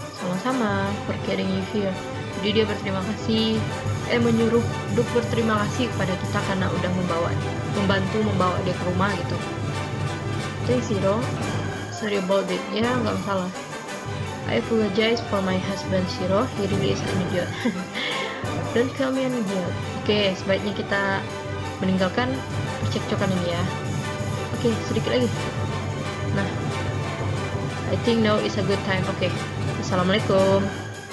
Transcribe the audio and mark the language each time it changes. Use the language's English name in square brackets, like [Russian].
[Indonesian] Sama-sama [English] for getting you here. [Indonesian] Jadi dia berterima kasih, menyuruh Duke berterima kasih kepada kita karena udah membantu membawa dia ke rumah gitu. [English] Thanks Siro, sorry about it. [Indonesian] Ya nggak masalah. [English] I apologize for my husband Siro. He really is an idiot. Don't call me an idiot. [Indonesian] Oke, sebaiknya kita meninggalkan percekcokan ini ya. Oke, sedikit lagi. [English] Nah, I think now is a good time. Oke, assalamualaikum.